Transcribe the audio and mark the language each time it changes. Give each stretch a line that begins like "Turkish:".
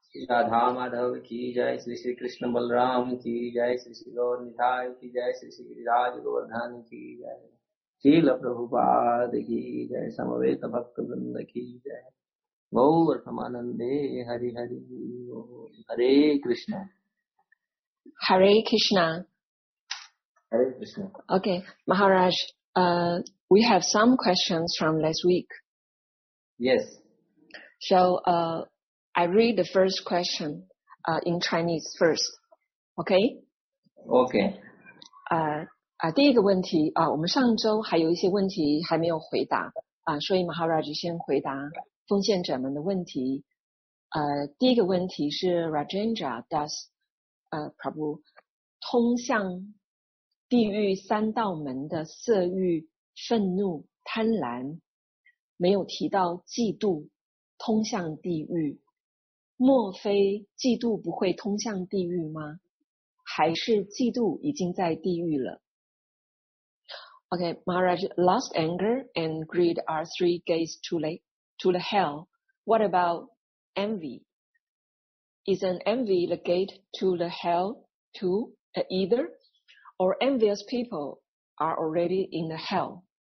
Hindi: राधा माधव की जय, श्री श्री कृष्ण बलराम की जय, श्री श्री गौर निताय की जय, श्री श्री गिरिराज गोवर्धन की जय, शील प्रभुपाद की जय, समवेत भक्त वृंद की जय, गौर समानंदे हरि हरि हरे कृष्ण हरे कृष्ण हरे Krishna.
English: Okay Maharaj, we have some questions from last week. Yes, so I read the first question in Chinese first, okay? Okay.
Chinese: 第一个问题啊，我们上周还有一些问题还没有回答啊，所以 Maharaj 先回答奉献者们的问题。第一个问题是 Rajendra does Prabhu 通向地狱三道门的色欲、愤怒、贪婪，没有提到嫉妒通向地狱。莫非嫉妒不会通向地狱吗？还是嫉妒已经在地狱了？
English: Okay, Maharaj, lust, anger and greed are three gates to the hell. What about envy? Isn't envy the gate to the hell too, either? Or envious people are already in the hell?